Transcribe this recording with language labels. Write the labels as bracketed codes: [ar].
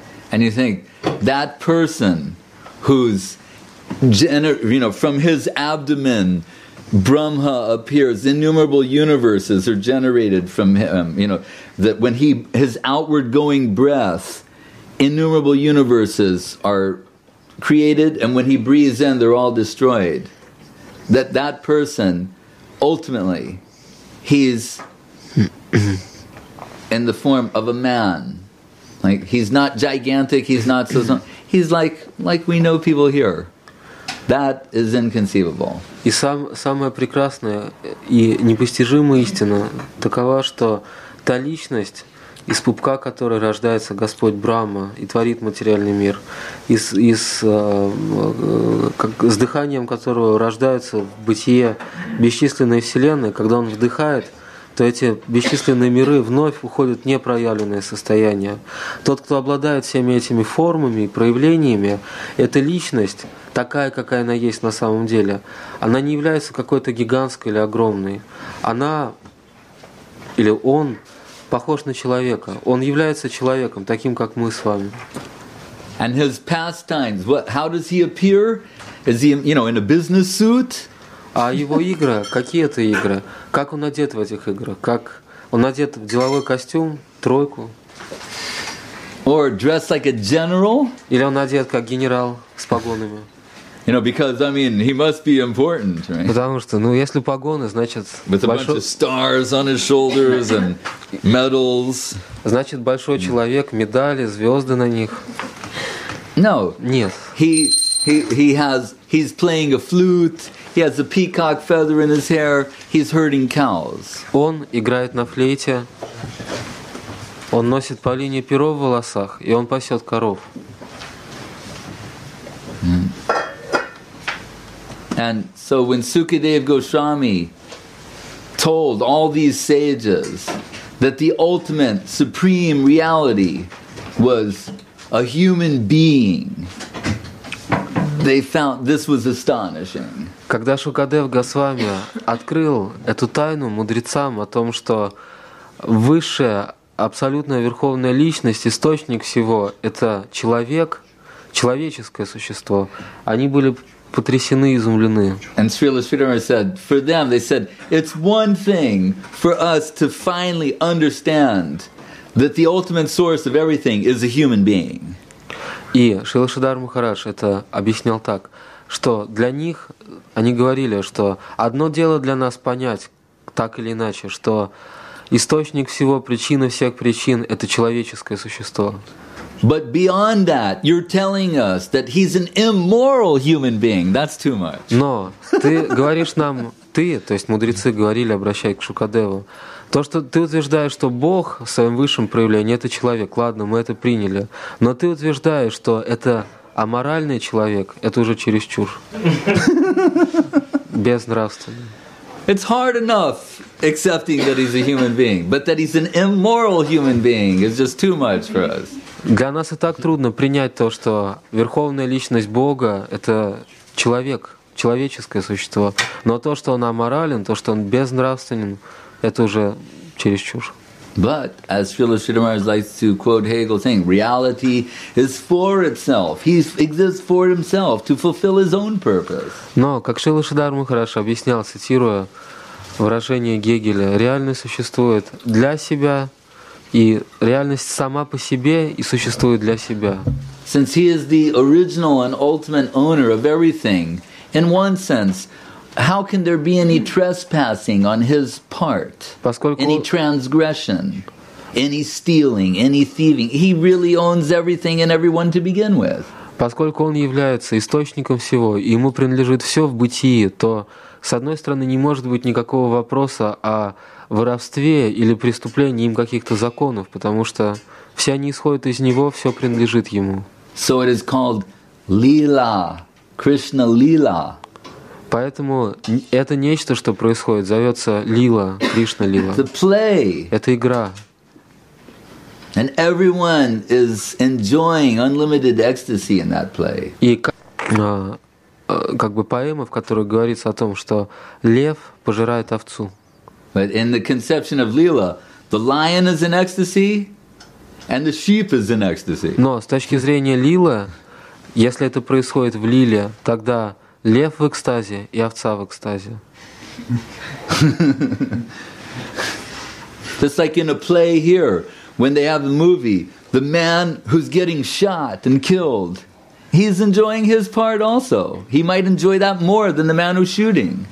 [en] And you think that person who's from his abdomen Brahma appears, innumerable universes are generated from him, you know, that when his outward going breath, innumerable universes are created, and when he breathes in, they're all destroyed. That person, ultimately, he's in the form of a man. Like, he's not gigantic, he's not so small. He's like we know people here. That is inconceivable. [ru] И самая прекрасная и непостижимая истина такова, что та личность, из пупка которой рождается Господь Брахма и творит материальный мир, с дыханием которого рождаются в бытие бесчисленные вселенные, когда он вдыхает, то эти бесчисленные миры вновь уходят в непроявленное состояние. Тот, кто обладает всеми этими формами и проявлениями, эта личность, такая, какая она есть на самом деле, она не является какой-то гигантской или огромной. Она или он похож на человека. Он является человеком, таким, как мы с вами. [en] And his pastimes, how does he appear? Is he, you know, in a business suit? [ru] А его игры, какие это игры? Как он одет в этих играх? Как он одет в деловой костюм, тройку? [en] Or dressed like a general? [ru] Или он одет как генерал с погонами? [en] You know, because I mean, he must be important, right? [ru] Потому что, ну, если погоны, значит, [en] with a bunch of stars on his shoulders and medals. [ru] Значит, большой человек, медали, звезды на них. [en] No, [ru] нет. [en] He's playing a flute. He has a peacock feather in his hair. He's herding cows. [ru] Он играет на флейте. Он носит полинье перо в волосах, и он пасет коров. [en] And so when Sukadev Goswami told all these sages that the ultimate supreme reality was a human being, they found this was astonishing. [ru] Когда Шукадев Госвами открыл эту тайну мудрецам о том, что высшая абсолютная верховная личность, источник всего, это человек, человеческое существо, они были потрясены, изумлены. [en] And Srila Sridhar said, for them, they said, it's one thing for us to finally understand that the ultimate source of everything is a human being. [ru] И Шрила Шридхар Махарадж это объяснял так, что для них, они говорили, что одно дело для нас понять, так или иначе, что источник всего, причина всех причин – это человеческое существо. [en] But beyond that, you're telling us that he's an immoral human being. That's too much. [ru] Но ты говоришь нам, ты, то есть мудрецы говорили, обращаясь к Шукадеву, то, что ты утверждаешь, что Бог в своем высшем проявлении – это человек, ладно, мы это приняли, но ты утверждаешь, что это аморальный человек – это уже чересчур, безнравственный. [en] It's hard enough accepting that he's a human being, but that he's an immoral human being is just too much for us. [ru] Для нас и так трудно принять то, что верховная личность Бога – это человек, человеческое существо. Но то, что он аморален, то, что он безнравственен, это уже чересчур. [en] But as Phyllis Schittermeyer likes to quote Hegel, saying reality is for itself. He exists for himself to fulfill his own purpose. [ru] Но как Шилла Шидарма хорошо объяснял, цитируя выражение Гегеля, реальность существует для себя, и реальность сама по себе и существует для себя. [en] Since he is the original and ultimate owner of everything, in one sense, how can there be any trespassing on his part? Any transgression, any stealing, any thieving? He really owns everything and everyone to begin with. [ru] Поскольку он является источником всего, и ему принадлежит все в бытии, то с одной стороны не может быть никакого вопроса о воровстве или преступлении им каких-то законов, потому что все они исходят из него, все принадлежит ему. [en] So it is called Lila, Krishna Lila. [ru] Поэтому это нечто, что происходит, зовется Лила, Кришна Лила. [en] The play. [ru] Это игра. [en] And everyone is enjoying unlimited ecstasy in that play. [ru] И как бы поэма, в которой говорится о том, что лев пожирает овцу. [en] But in the conception of Lila, the lion is in ecstasy, and the sheep is in ecstasy. [ru] Но с точки зрения Лила, если это происходит в Лиле, тогда лев в экстазе и овца в экстазе. [en] Just like in a play here, when they have a movie, the man who's getting shot and killed, he's enjoying his part also. He might enjoy that more than the man who's shooting.